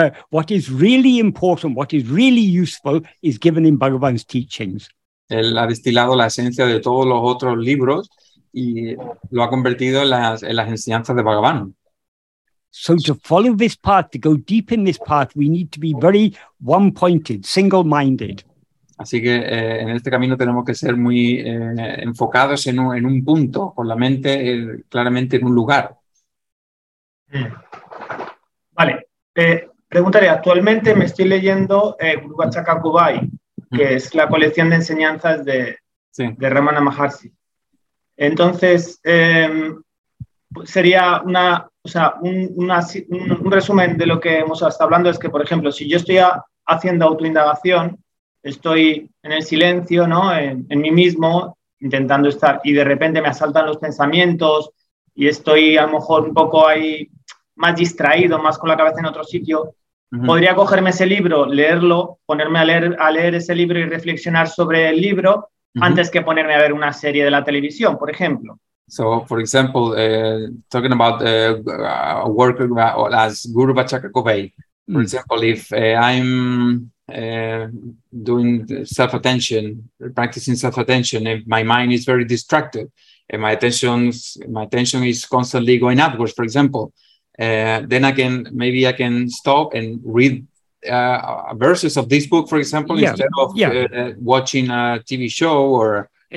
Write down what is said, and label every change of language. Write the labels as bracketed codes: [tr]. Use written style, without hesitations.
[en] What is really important, what is really useful, is given in Bhagavan's teachings. [es] Él ha destilado la esencia de todos los otros libros y lo ha convertido en las enseñanzas de Bhagavan. [en] So to follow this path, to go deep in this path, we need to be very one-pointed, single-minded. [es] Así que en este camino tenemos que ser muy enfocados en un punto, con la mente claramente en un lugar. Vale. Preguntaré, actualmente me estoy leyendo Guru Vachaka Kubai, que es la colección de enseñanzas de Ramana Maharshi. Entonces, sería un resumen de lo que hemos estado hablando, es que, por ejemplo, si yo estoy haciendo autoindagación, estoy en el silencio, ¿no?, en mí mismo, intentando estar, y de repente me asaltan los pensamientos y estoy a lo mejor un poco ahí más distraído, más con la cabeza en otro sitio. Uh-huh. Podría cogerme ese libro, leerlo, ponerme a leer ese libro y reflexionar sobre el libro, uh-huh, antes que ponerme a ver una serie de la televisión, por ejemplo. [en] So, for example, talking about work as Guru Vachaka Kubai. For example, if I'm doing self-attention, practicing self-attention, if my mind is very distracted and my attention is constantly going upwards, for example, then I can stop and read verses of this book, for example, watching a TV show or